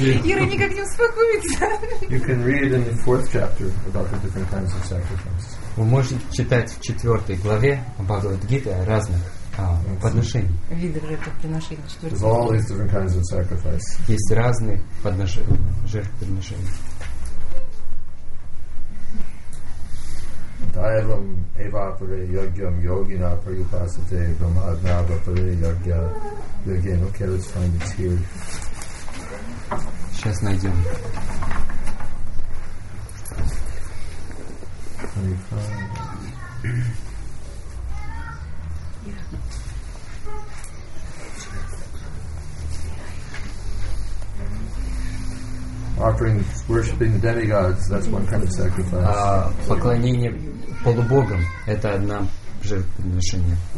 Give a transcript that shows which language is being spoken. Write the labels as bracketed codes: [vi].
[ru] Ира никак не успокоится. [en] You can read in the fourth chapter about the different kinds of sacrifices. [ru] Вы можете читать в четвертой главе Бхагавад-гиты о разных подношениях. Виды жертвоприношений. [en] There's all these different kinds of sacrifice. [ru] Есть разные жертвоприношения. [sa] Дайвам эвапаре йогьям йогина прайупасате брамадна вапаре йогья йогин. [en] Okay, let's find it here. [ru] Сейчас найдем. 25. [en] Offering, worshipping the demigods, that's one kind of sacrifice. [ru] Поклонение полубогам, это одно жертвоприношение.